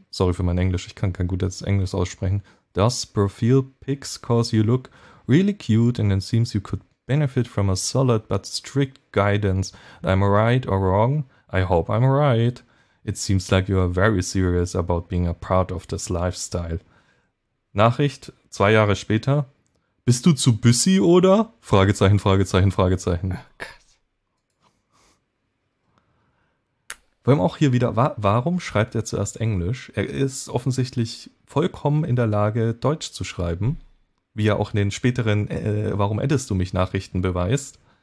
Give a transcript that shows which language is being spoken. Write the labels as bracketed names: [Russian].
[German] Sorry für mein Englisch, ich kann kein gutes Englisch aussprechen. [English] Does profile pics cause you look really cute and it seems you could benefit from a solid but strict guidance. I'm right or wrong? I hope I'm right. It seems like you are very serious about being a part of this lifestyle. [German] Nachricht, 2 Jahre später. Bist du zu busy oder? Fragezeichen, Fragezeichen, Fragezeichen. Vor allem auch hier wieder, warum schreibt er zuerst Englisch? Er ist offensichtlich vollkommen in der Lage, Deutsch zu schreiben, wie er auch in den späteren Warum addest du mich Nachrichten beweist.